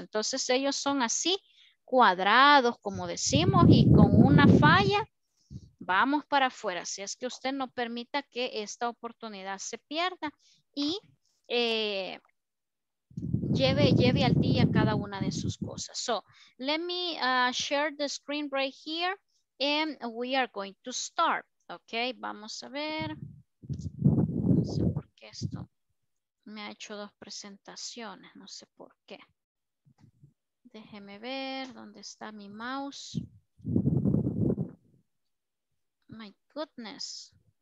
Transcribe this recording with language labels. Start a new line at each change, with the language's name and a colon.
Spanish: Entonces ellos son así, cuadrados, como decimos, y con una falla, vamos para afuera. Así es que usted no permita que esta oportunidad se pierda. Y lleve al día cada una de sus cosas.
English: So, let me share the screen right here, and we are going to start.
Spanish: Ok, vamos a ver. No sé por qué esto me ha hecho dos presentaciones, no sé por qué. Déjeme ver dónde está mi mouse.
English: My goodness.